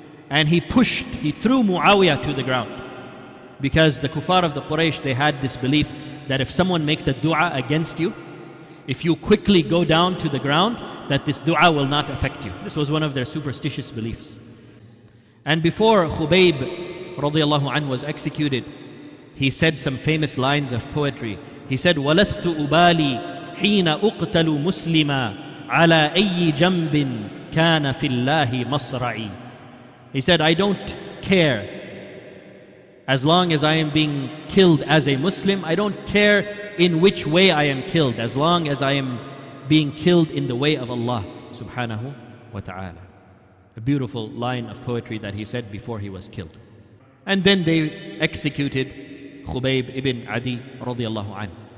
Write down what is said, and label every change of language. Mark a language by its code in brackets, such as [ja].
[en] And he threw Muawiyah to the ground. Because the kuffar of the Quraysh, they had this belief that if someone makes a dua against you, if you quickly go down to the ground, that this dua will not affect you. This was one of their superstitious beliefs. And before Khubayb radiallahu anhu was executed, he said some famous lines of poetry. He said, [ar] وَلَسْتُ أُبَالِي حِينَ أُقْتَلُ مُسْلِمًا عَلَىٰ أَيِّ جَنْبٍ كَانَ فِي اللَّهِ مَصْرَعِي. [en] He said, I don't care. As long as I am being killed as a Muslim, I don't care in which way I am killed, as long as I am being killed in the way of Allah subhanahu wa ta'ala. A beautiful line of poetry that he said before he was killed. And then they executed Khubayb ibn Adi radiallahu anhu.